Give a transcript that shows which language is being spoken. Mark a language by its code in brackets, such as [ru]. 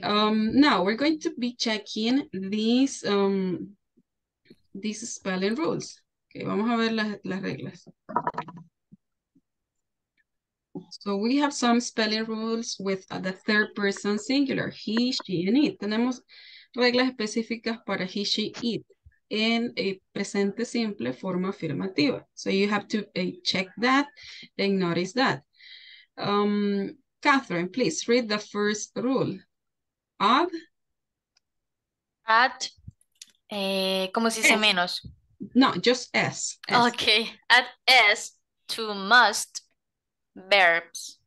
[en] Now we're going to be checking these spelling rules. [es] Okay, vamos a ver las reglas. [en] So we have some spelling rules with the third person singular, he, she, and it. [es] Tenemos reglas específicas para he, she, it en a presente simple forma afirmativa. [en] So you have to check that and notice that. Catherine, please read the first rule. Of? [es] At, ¿cómo se dice menos? [en] No, just S. Okay, at S to must verbs.